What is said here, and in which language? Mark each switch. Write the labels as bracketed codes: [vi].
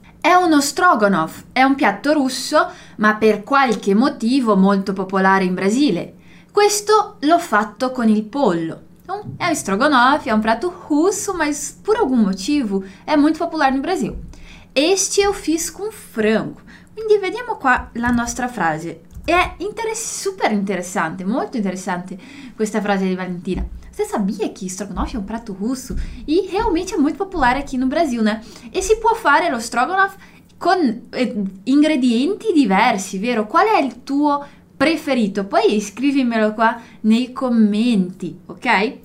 [it] È uno stroganoff, è un piatto russo, ma per qualche motivo molto popolare in Brasile. Questo l'ho fatto con il pollo. [pt] É um estrogonofe, é um prato russo, mas por algum motivo é muito popular no Brasil. Este eu fiz com frango. [it] Quindi vediamo qua la nostra frase. [pt] É super interessante, muito interessante [it] questa frase di Valentina. [pt] Você sabia que estrogonofe é um prato russo? E realmente é muito popular aqui no Brasil, né? [it] E si può fare lo stroganoff con ingredienti diversi, vero? Qual è il tuo preferito? Poi scrivimelo qua nei commenti, ok?